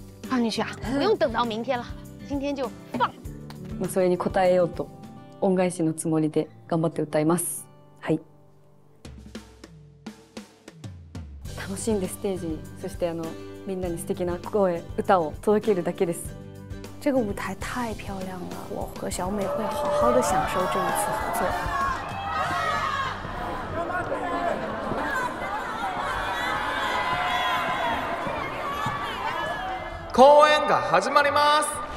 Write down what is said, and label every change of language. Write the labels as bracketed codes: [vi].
[zh] 放进去啊，不用等到明天了，今天就放。 [ja] まあそれに応えようと恩返しのつもりで頑張って歌います。はい。楽しんでステージに、そしてみんなに素敵な声、歌を届けるだけです。 [zh] 这个舞台太漂亮了，我和小美会好好的享受这一次合作。 [ja] 公演が始まります。